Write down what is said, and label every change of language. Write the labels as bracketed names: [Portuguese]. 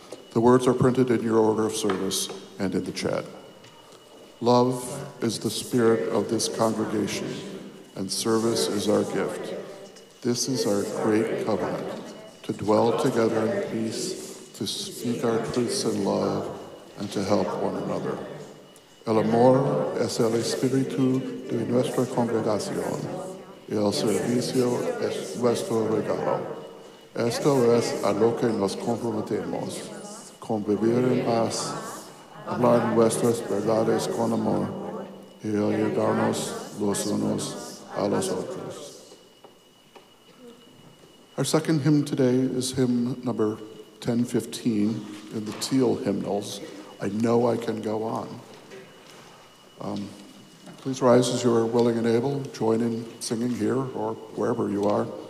[English] The words are printed in your order of service and in the chat. Love is the spirit of this congregation, and service is our gift. This is our great covenant, to dwell together in peace, to speak our truths in love, and to help one another. [Spanish] El amor es el espíritu de nuestra congregación. El servicio es nuestro regalo. Esto es a lo que nos comprometemos. Convivir en paz, hablar nuestras verdades con amor y ayudarnos los unos a los otros. [English] Our second hymn today is hymn number 1015 in the Teal hymnals, I Know I Can Go On. Please rise as you are willing and able. Join in singing here or wherever you are.